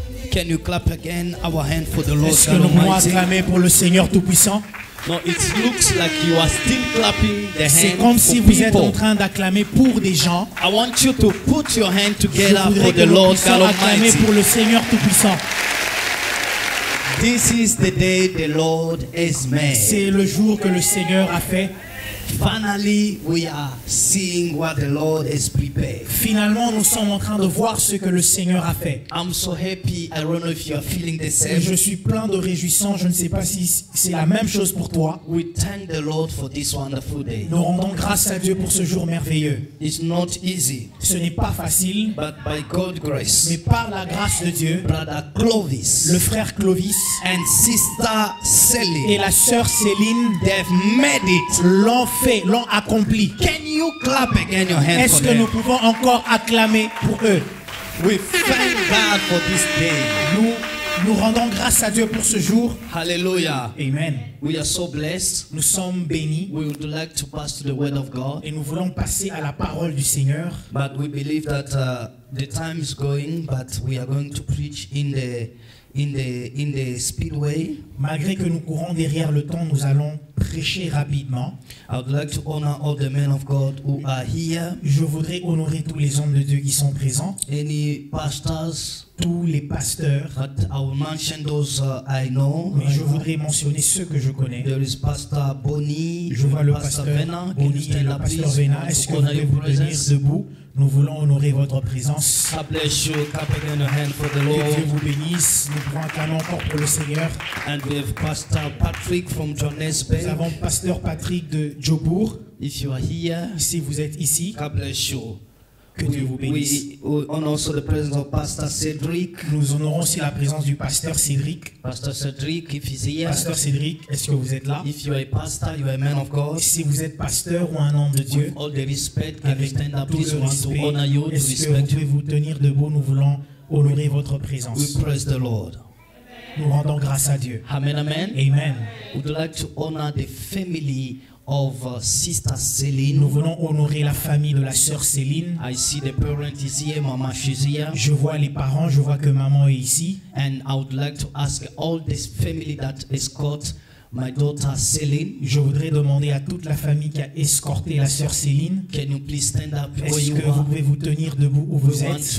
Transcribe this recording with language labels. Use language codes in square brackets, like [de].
[en] Can you clap again our hand for the Lord? [fr] Est-ce que nous pouvons acclamer pour le Seigneur Tout-Puissant? [en] No, it looks like you are still clapping the hand. [fr] C'est comme si vous [en] people. [fr] Êtes en train d'acclamer pour des gens. [en] I want you to put your hand together for the Lord God Almighty. [fr] Acclamer pour le Seigneur Tout-Puissant. [en] This is the day the Lord has made. [fr] C'est le jour que le Seigneur a fait. [en] Finally, we are seeing what the Lord has prepared. [fr] Finalement, nous sommes en train de voir ce que le Seigneur a fait. [en] I'm so happy. I don't know if you're feeling the same. [fr] Je suis plein de réjouissance. Je ne sais pas si c'est la même chose pour toi. [en] We thank the Lord for this wonderful day. [fr] Nous rendons grâce à Dieu pour ce jour merveilleux. [en] It's not easy. [fr] Ce n'est pas facile. [en] But by God's grace. [fr] Mais par la grâce de Dieu. [en] Brother Clovis. [fr] Le frère Clovis. [en] And sister Celine. [fr] Et la sœur Céline. [en] They've made it. [fr] L'ont accompli. [en] Can you clap again your hands? [fr] Est-ce que nous pouvons encore acclamer pour eux? [en] We thank God for this day. [fr] Nous Nous rendons grâce à Dieu pour ce jour. Hallelujah. Amen. [en] We are so blessed. [fr] Nous sommes bénis. [en] We would like to pass to the word of God. [fr] Et nous voulons passer à la parole du Seigneur. [en] But we believe that the time is going, but we are going to preach in the speedway. [fr] Malgré que nous courons derrière le temps, nous allons prêcher rapidement. [en] I would like to honor all the men of God who are here. [fr] Je voudrais honorer tous les hommes de Dieu qui sont présents. [en] Any pastors? [fr] Tous les pasteurs. [en] But I will mention those I know. [fr] Mais je voudrais mentionner ceux que je connais. [en] There is Pastor Bonnie. [fr] Je vois le pasteur Vena. Bonnie et le pasteur Vena. Est-ce que vous pouvez vous tenir debout? Nous voulons honorer votre présence. [en] God bless you. Clap again a hand for the Lord. [fr] Que Dieu vous bénisse. Nous prenons un canon encore pour le Seigneur. [en] And we have Pastor Patrick from Johannesburg. [fr] Nous avons Pasteur Patrick de Joburg. [en] If you are here. [fr] Si vous êtes ici. [en] God bless you. [fr] Que Dieu vous bénisse. [en] We honor also the presence of Pastor Cedric. [fr] Nous honorons aussi la présence du Pasteur Cedric. [en] Pastor Cedric, if he's here. [fr] Pasteur Cedric, est-ce que vous êtes là? [en] If you are a pastor, you are a man of God. [fr] Si vous êtes pasteur ou un homme de Dieu, [en] with all the respect, can you stand up, please, we want to honor you, to respect. [fr] Est-ce que vous pouvez vous tenir debout? Nous voulons honorer votre présence. [en] We praise the Lord. [fr] Nous rendons grâce à Dieu. Amen, amen. Amen. [en] We'd like to honor the family of Sister Céline. [fr] Nous venons honorer la famille de la sœur Céline. [en] I see the parents is here, mama she's here. [fr] Je vois les parents, je vois que maman est ici. [en] And I would like to ask all this family that escort my daughter Céline. [fr] Je voudrais demander à toute la famille qui a escorté la sœur Céline. [en] Can you please stand up? [fr] Est-ce que vous pouvez vous tenir debout où vous êtes?